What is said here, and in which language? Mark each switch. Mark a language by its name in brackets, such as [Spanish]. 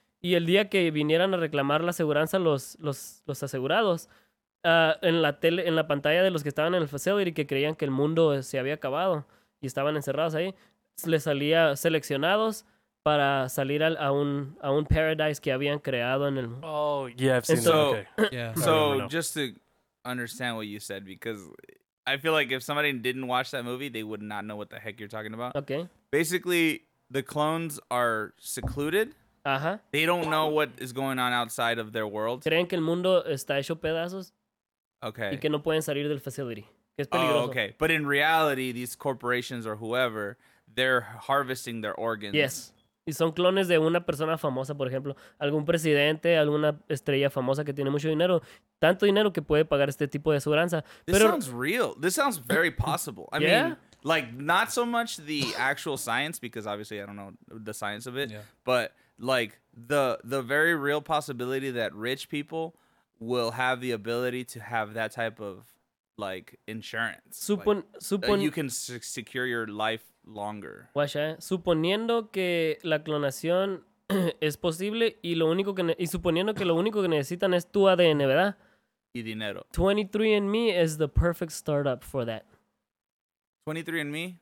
[Spanish] Y el día que vinieran a reclamar la aseguranza los asegurados, en la pantalla de los que estaban en el facility que creían que el mundo se había acabado y estaban encerrados ahí, les salía seleccionados para salir a un paradise que habían creado en el... [English] Oh, yeah, I've seen that. Okay. Yeah. So, just to understand what you said, because I feel like if somebody didn't watch that movie, they would not know what the heck you're talking about. Okay. Basically, the clones are secluded. Uh-huh. They don't know what is going on outside of their world. [Spanish] ¿Creen que el mundo está hecho pedazos? [English] Okay. [Spanish] Y que no pueden salir del facility. Que es peligroso. [English] Oh, okay. But in reality, these corporations or whoever, they're harvesting their organs. Yes. [Spanish] Y son clones de una persona famosa, por ejemplo. Algún presidente, alguna estrella famosa que tiene mucho dinero. Tanto dinero que puede pagar este tipo de aseguranza. [English] Pero... This sounds real. This sounds very possible. I mean, like, not so much the actual science, because obviously I don't know the science of it. Yeah. But, like, the very real possibility that rich people will have the ability to have that type of, like, insurance. You can secure your life longer. [Spanish] Guacha, suponiendo que la clonación es posible y suponiendo que lo único que necesitan es tu ADN, ¿verdad? Y dinero. [English] 23andMe is the perfect startup for that. 23andMe?